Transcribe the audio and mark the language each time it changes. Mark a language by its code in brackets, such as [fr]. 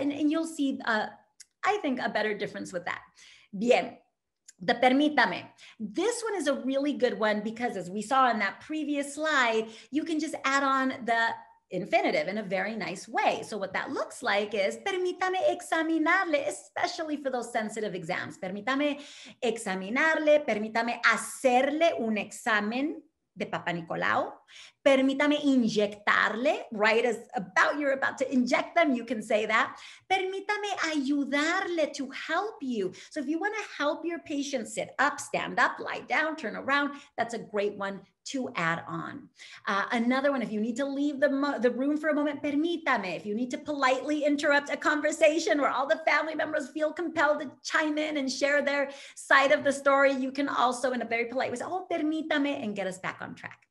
[en] And you'll see, I think, a better difference with that. Bien. The permítame. This one is a really good one because, as we saw in that previous slide, you can just add on the infinitive in a very nice way. So what that looks like is [es] permítame examinarle, [en] especially for those sensitive exams. [es] Permítame examinarle, permítame hacerle un examen de Papa Nicolau. Permítame inyectarle, right? [en] As about you're about to inject them, you can say that. [es] Permítame ayudarle, [en] to help you. So if you want to help your patient sit up, stand up, lie down, turn around, that's a great one to add on. Another one, if you need to leave the room for a moment, permítame, if you need to politely interrupt a conversation where all the family members feel compelled to chime in and share their side of the story, you can also, in a very polite way, say, oh, permítame, and get us back on track.